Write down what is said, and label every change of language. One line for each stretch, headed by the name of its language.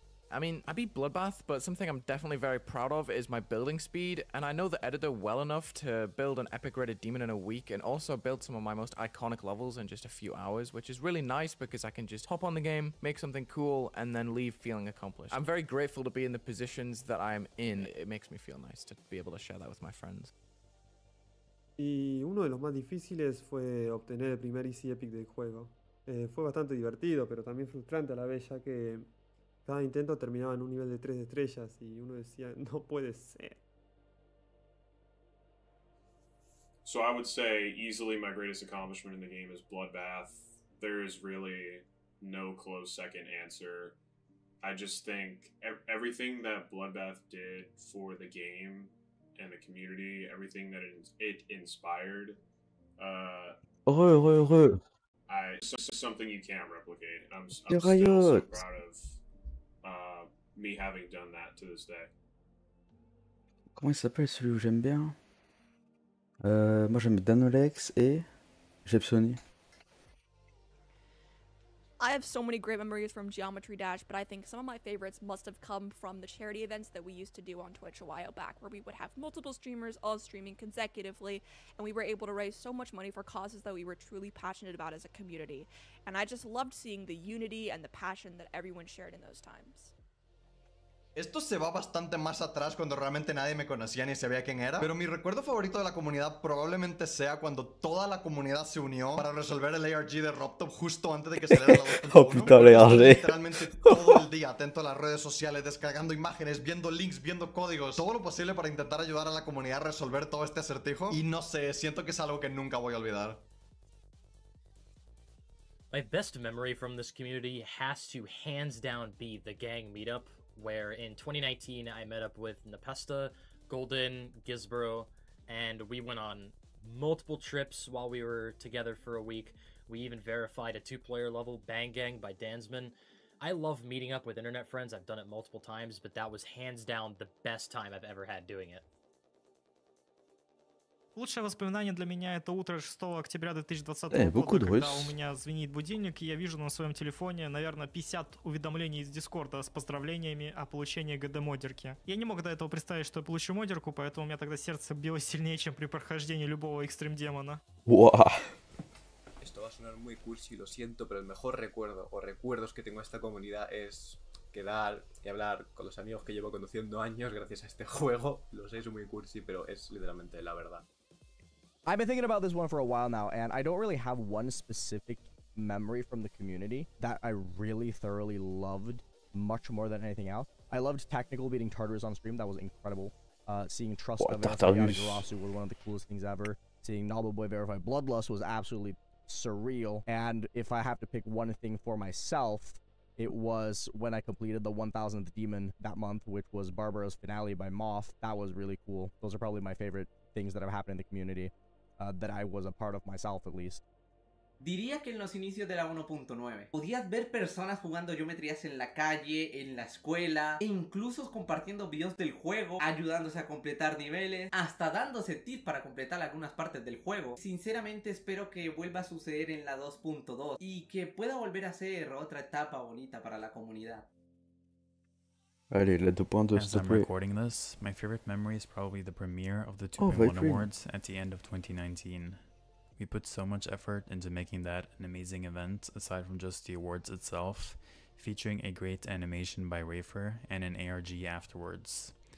English: I mean, I beat Bloodbath, but something I'm definitely very proud of is my building speed, and I know the editor well enough to build an epic rated demon in a week and also build some of my most iconic levels in just a few hours, which is really nice because I can just hop on the game, make something cool, and then leave feeling accomplished. I'm very grateful to be in the positions that I'm in. It makes me feel nice to be able to share that with my friends.
Spanish: Y uno de los más difíciles fue obtener el primer EC Epic del juego. Fue bastante divertido, pero también frustrante a la vez, ya que cada intento terminaba en un nivel de 3 estrellas y uno decía, no puede ser.
English: So I would say easily my greatest accomplishment in the game is Bloodbath. There is really no close second answer. I just think everything that Bloodbath did for the game and the community, everything that it inspired. Something you can't replicate. I'm still so proud of me having done that to this day.
French: Comment il s'appelle celui où j'aime bien? Moi j'aime Danolex et Jepsoni.
English: I have so many great memories from Geometry Dash, but I think some of my favorites must have come from the charity events that we used to do on Twitch a while back, where we would have multiple streamers all streaming consecutively, and we were able to raise so much money for causes that we were truly passionate about as a community. And I just loved seeing the unity and the passion that everyone shared in those times.
Spanish: Esto se va bastante más atrás cuando realmente nadie me conocía ni sabía quién era, pero mi recuerdo favorito de la comunidad probablemente sea cuando toda la comunidad se unió para resolver el ARG de Roptop justo antes de que saliera la 2.1. Oh, puta, literalmente todo el día atento a las redes sociales, descargando imágenes, viendo links, viendo códigos, todo lo posible para intentar ayudar a la comunidad a resolver todo este acertijo, y no sé, siento que es algo que nunca voy a olvidar.
English: My best memory from this community has to hands down be the gang meetup, where in 2019 I met up with Napesta, Golden, Gizbro, and we went on multiple trips while we were together for a week. We even verified a two-player level, Bang Gang by Dansman. I love meeting up with internet friends, I've done it multiple times, but that was hands down the best time I've ever had doing it.
Russian: Лучшее воспоминание для меня это утро 6 октября 2020 года, когда у меня звенит будильник, и я вижу на своем телефоне, наверное, 50 уведомлений из Дискорда с поздравлениями о получении ГД-модерки. Я не мог до этого представить, что я получу модерку, поэтому у меня тогда сердце билось сильнее, чем при прохождении любого экстрим-демона.
Spanish: Esto va a sonar muy cursi, lo siento, pero el mejor recuerdo o recuerdos que tengo de esta comunidad es quedar y hablar con los amigos que llevo conduciendo años gracias a este juego. Lo sé, es muy cursi, pero es literalmente la verdad.
English: I've been thinking about this one for a while now, and I don't really have one specific memory from the community that I really thoroughly loved much more than anything else. I loved Technical beating Tartarus on stream, that was incredible. Seeing Trust of Garasu was one of the coolest things ever. Seeing Noble Boy verify Bloodlust was absolutely surreal. And if I have to pick one thing for myself, it was when I completed the 1000th demon that month, which was Barbara's finale by Moth. That was really cool. Those are probably my favorite things that have happened in the community, that I was a part of myself, at least.
Spanish: Diría que en los inicios de la 1.9 podías ver personas jugando geometrías en la calle, en la escuela, e incluso compartiendo videos del juego, ayudándose a completar niveles, hasta dándose tips para completar algunas partes del juego. Sinceramente espero que vuelva a suceder en la 2.2 y que pueda volver a ser otra etapa bonita para la comunidad.
French: Allez, la 2.2,
English: as I'm recording this, my favorite memory is probably the premiere of the 2.1 awards at the end of 2019. We put so much effort into making that an amazing event, aside from just the awards itself, featuring a great animation by Rafer and an ARG afterwards.